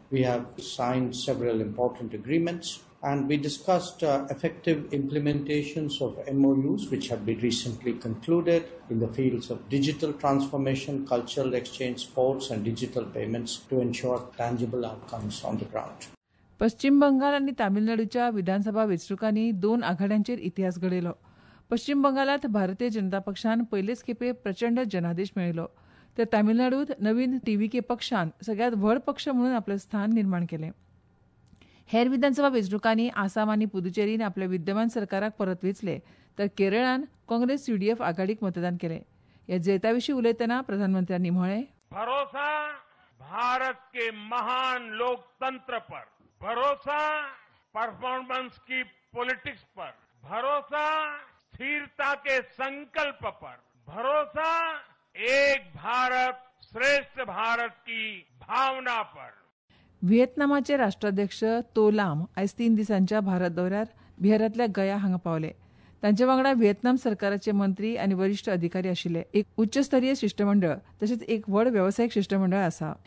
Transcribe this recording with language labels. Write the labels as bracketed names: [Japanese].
[English] We have signed several important agreements. And we discussed effective implementations of MOUs, which have been recently concluded in the fields of digital transformation, cultural exchange, sports, and digital payments to ensure tangible outcomes on the ground. [Goan Konkani] पश्चिम बंगाल आणि तामिळनाडूच्या विधानसभा वेचणुकांनी 2 आघाड्यांचेर इतिहास घडयलो. पश्चिम बंगालात भारतीय जनता पक्षान पहिलेच खेपे प्रचंड जनादेश मेळयलो तर तामिळनाडूत नवीन टीव्हीके पक्षान सगळ्यात व्हड पक्ष म्हणून आपलं स्थान निर्माण केलें. हेर विधानसभा वेचणुकांनी आसाम आनी पुदुचेरीन आपल्या विद्यमान सरकाराक परत वेचले तर केरळान काँग्रेस UDF आघाडीक मतदान केले. या जैताविषयी उलयताना प्रधानमंत्र्यांनी म्हळे, [Hindi] भरोसा भारत के महान लोकतंत्र पर, भरोसा परफॉर्मन्स की पॉलिटिक्स पर, भरोसा स्थिरता के संकल्प पर, भरोसा एक भारत श्रेष्ठ भारत की भावना पर. [Goan Konkani] व्हिएतनामाचे राष्ट्राध्यक्ष तो लाम आयज 3 दिसांच्या भारत दौऱ्यार बिहारातल्या गया हांगा पावले. तांचे वांगडा व्हिएतनाम सरकाराचे मंत्री आनी वरिष्ठ अधिकारी आशिल्ले एक उच्चस्तरीय शिष्टमंडळ तशेंच एक व्हड व्यवसायीक शिष्टमंडळ आसा.